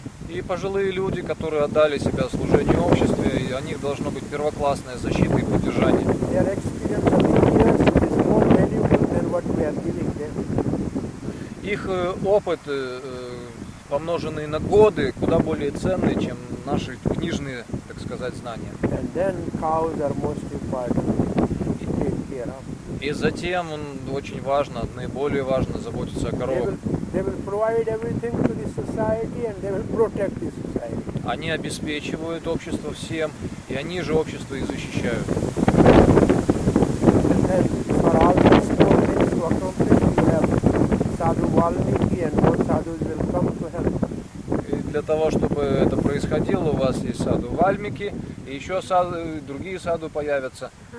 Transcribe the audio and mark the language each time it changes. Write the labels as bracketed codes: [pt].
[ru] И пожилые люди, которые отдали себя служению обществу, и о них должно быть первоклассная защита и поддержание. [en] Their experience of years is more valuable than what we are giving them. [ru] Их опыт, помноженный на годы, куда более ценный, чем наши книжные, так сказать, знания. [en] And then cows are most important to take care of. [ru] И затем очень важно, наиболее важно заботиться о коровах. [en] They will provide everything to the society and they will protect the society. [ru] Они обеспечивают общество всем, и они же общество и защищают. [en] And then for all the small things to accomplish, we have Sadhu Valmiki and all sadhus will come to help. [ru] Для того, чтобы это происходило, у вас есть саду Вальмики, и еще саду, и другие саду появятся.